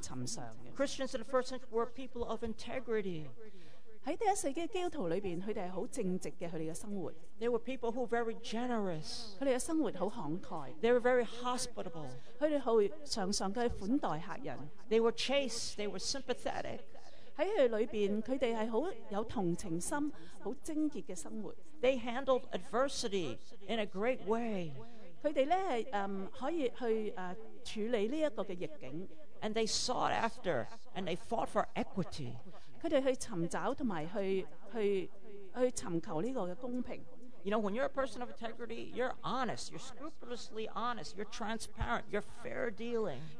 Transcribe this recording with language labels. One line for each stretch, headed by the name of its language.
English: in the first century were people of integrity.
Chinese: 在第一世纪的基督徒里面,他们是很正直的,他们的生活。
English: They were people who were very generous.
Chinese: 他们的生活很慷慨。
English: They were very hospitable.
Chinese: 他们常常去款待客人。
English: They were chaste, they were sympathetic.
Chinese: 在他们里面,他们是很有同情心,很精洁的生活。
English: They handled adversity in a great way.
Chinese: 他们可以去处理这个逆境。
English: And they sought after and they fought for equity.
Chinese: 他们去寻找和去寻求这个公平。
English: You know, when you're a person of integrity, you're honest, you're scrupulously honest, you're transparent, you're fair dealing.